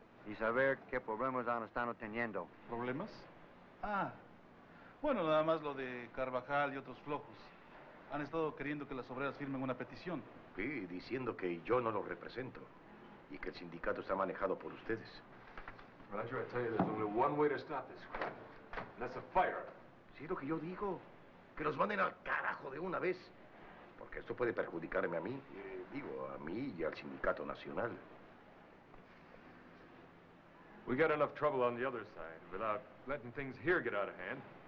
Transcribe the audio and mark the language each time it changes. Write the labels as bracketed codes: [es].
[es] Y saber qué problemas han estado teniendo. ¿Problemas? Ah, bueno, nada más lo de Carvajal y otros flojos. Han estado queriendo que las obreras firmen una petición. Sí, diciendo que yo no lo represento y que el sindicato está manejado por ustedes. [en] Roger, I tell you, there's only one way to stop this. And that's a fire. [es] Sí, lo que yo digo, que los manden al carajo de una vez. Porque esto puede perjudicarme a mí, digo, a mí y al sindicato nacional. [en] We got enough trouble on the other side without letting things here get out of hand.